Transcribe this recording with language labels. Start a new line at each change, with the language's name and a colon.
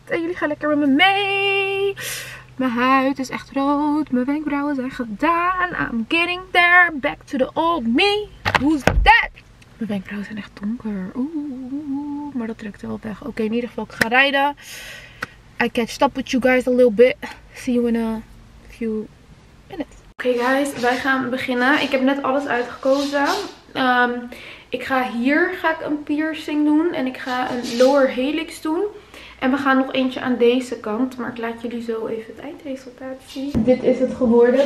Dutch: En jullie gaan lekker met me mee. Mijn huid is echt rood. Mijn wenkbrauwen zijn gedaan.
English: I'm getting there. Back to the old me. Who's that?
Dutch: Mijn wenkbrauwen zijn echt donker. Maar dat trekt wel weg. Oké, in ieder geval, ik ga rijden.
English: I catch up with you guys a little bit. See you in a few minutes.
Dutch: Oké, guys, wij gaan beginnen. Ik heb net alles uitgekozen. Ik ga hier een piercing doen. En ik ga een lower helix doen. En we gaan nog eentje aan deze kant. Maar ik laat jullie zo even het eindresultaat zien. Dit is het geworden.